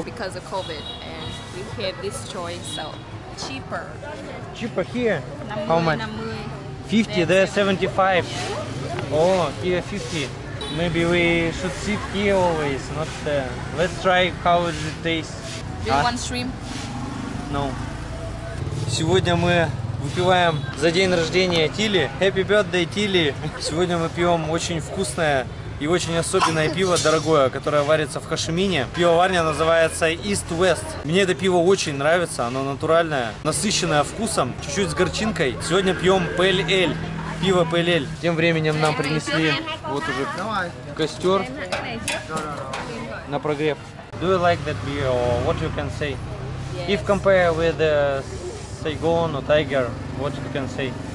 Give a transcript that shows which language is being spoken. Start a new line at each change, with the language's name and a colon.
English: because of COVID, and we have this choice. So cheaper. Cheaper here. How much? 50. There 75. Oh, here 50. Maybe we should sit here always, not there. Let's try how it tastes. Do you want shrimp? No.
Russian: Сегодня мы выпиваем за день рождения Тили.
English: Happy birthday, Тили!
Russian: Сегодня мы пьем очень вкусное и очень особенное пиво, дорогое, которое варится в Хошимине. Пивоварня называется East West. Мне это пиво очень нравится, оно натуральное, насыщенное вкусом, чуть-чуть с горчинкой. Сегодня пьем PLL. Пиво PLL. Тем временем нам принесли вот уже костер на прогрев.
English: Do you like that beer or what you can say? If compare with the Saigon or Tiger, what you can say?